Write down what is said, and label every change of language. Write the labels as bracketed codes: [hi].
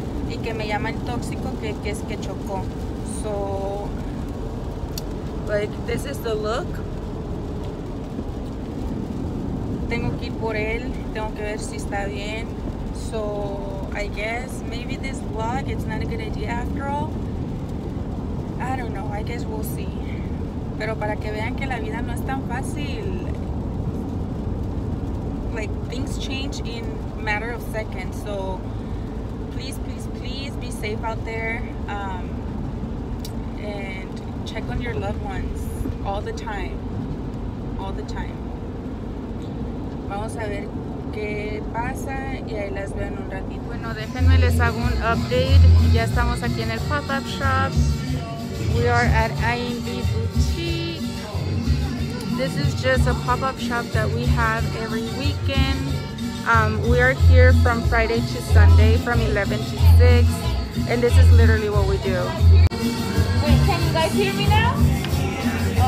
[es] Y que me llama el tóxico que es que chocó. [en] So, like, this is the look. [es] Tengo que ir por él, tengo que ver si está bien. [en] So, I guess maybe this vlog it's not a good idea after all. I don't know, I guess we'll see. [es] Pero para que vean que la vida no es tan fácil. [en] Like, things change in matter of seconds. So, please, please, please be safe out there. And check on your loved ones all the time. All the time. [es] Vamos a ver qué pasa y ahí las veo en un ratito. Bueno, déjenme les hago un update. Ya estamos aquí en el pop-up shop. [en] We are at IMB Boutique. This is just a pop-up shop that we have every weekend. We are here from Friday to Sunday, from 11 to 6. And this is literally what we do. Wait, can you guys hear me now? Okay.